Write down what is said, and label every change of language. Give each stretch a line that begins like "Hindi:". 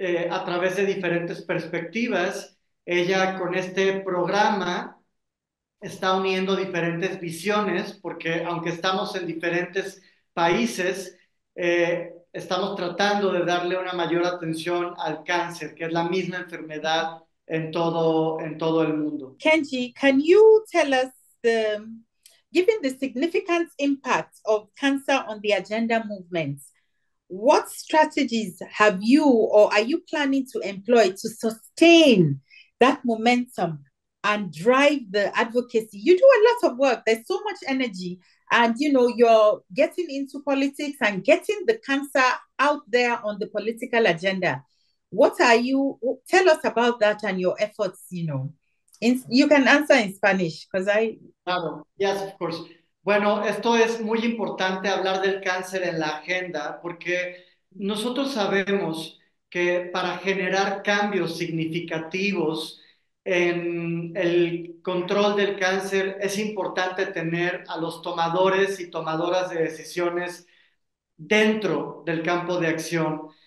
Spanish: a través de diferentes perspectivas. Ella con este programa está uniendo diferentes visiones, porque aunque estamos en diferentes países, estamos tratando de darle una mayor atención al cáncer, que es la misma enfermedad en todo el mundo.
English: Kenji, can you tell us given the significant impact of cancer on the agenda movement, what strategies have you or are you planning to employ to sustain that momentum and drive the advocacy? You do a lot of work. There's so much energy. And, you know, you're getting into politics and getting the cancer out there on the political agenda. What are you, tell us about that and your efforts, you know. You can answer in Spanish, because I...
Spanish: Claro,
English: yes, of course.
Spanish: Bueno, esto es muy importante hablar del cáncer en la agenda, porque nosotros sabemos que para generar cambios significativos en el control del cáncer es importante tener a los tomadores y tomadoras de decisiones dentro del campo de acción.